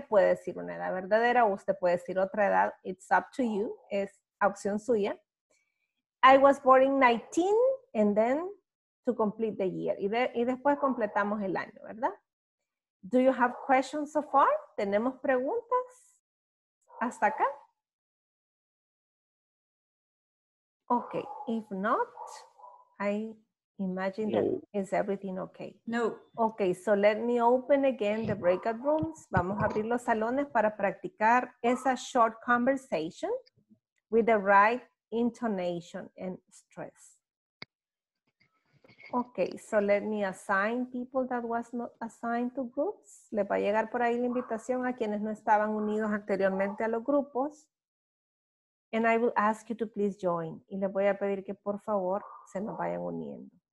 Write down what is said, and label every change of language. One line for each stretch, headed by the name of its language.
Spanish: Puede decir una edad verdadera o usted puede decir otra edad.
English: It's up to you.
Spanish: Es opción suya.
English: I was born in 19 and then to complete the year.
Spanish: Y después completamos el año, ¿verdad?
English: Do you have questions so far?
Spanish: ¿Tenemos preguntas hasta acá?
English: Okay, if not, I imagine that is everything okay. No. Okay, so let me open again the breakout rooms.
Spanish: Vamos a abrir los salones para practicar esa
English: short conversation with the right intonation and stress. Okay, so let me assign people that was not assigned to groups.
Spanish: Le va a llegar por ahí la invitación a quienes no estaban unidos anteriormente a los grupos.
English: And I will ask you to please join.
Spanish: Y les voy a pedir que por favor se nos vayan uniendo.